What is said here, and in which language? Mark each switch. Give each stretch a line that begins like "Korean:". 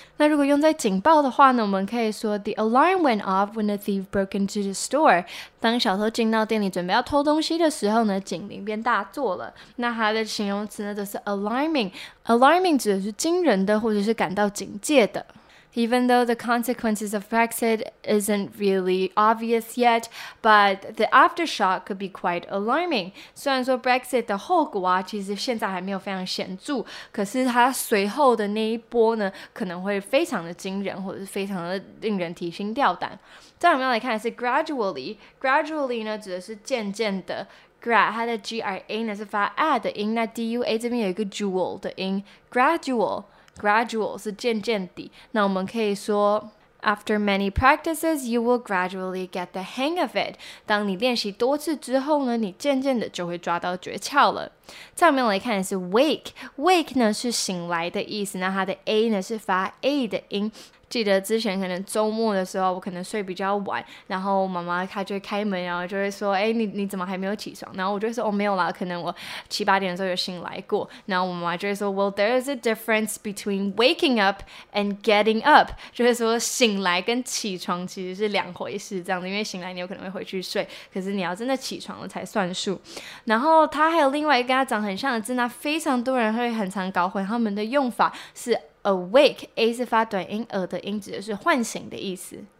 Chinese: 那如果用在警报的话呢，我们可以说
English: the alarm went off when a thief broke into the store，
Chinese: 当小偷进到店里准备要偷东西的时候呢，警铃变大作了。那它的形容词呢就是 alarming， alarming 指的是惊人的或者是感到警戒的。
English: Even though the consequences of Brexit isn't really obvious yet, but the aftershock could be quite alarming.
Chinese: 虽然说 Brexit 的后果啊，其实现在还没有非常显著，可是它随后的那一波呢，可能会非常的惊人，或者是非常的令人提心吊胆。再我们要来看的是 gradually， gradually 呢指的是渐渐的。 Gra 它的 gra 呢是发 a 的音，那 dua 这边有一个 dual 的音 ，gradual。
English: Gradual
Chinese: 是渐渐地，那我们可以说
English: After many practices, you will gradually get the hang of it.
Chinese: 当你练习多次之后呢，你渐渐的就会抓到诀窍了。再我们来看的是 wake， wake 呢是醒来的意思，那它的 a 呢是发 a 的音。记得之前可能周末的时候，我可能睡比较晚，然后妈妈她就会开门，然后就会说：“哎，你怎么还没有起床？”然后我就会说：“哦，没有啦，可能我七八点的时候有醒来过。” 然后我妈妈就会说
English: ：“Well, there is a difference between waking up and getting up。”
Chinese: 就是说醒来跟起床其实是两回事，这样子，因为醒来你有可能会回去睡，可是你要真的起床了才算数。然后她还有另外一个跟她长很像的字，那非常多人会很常搞混他们的用法是。 Awake, A 是发短音，耳的音指的是唤醒的意思。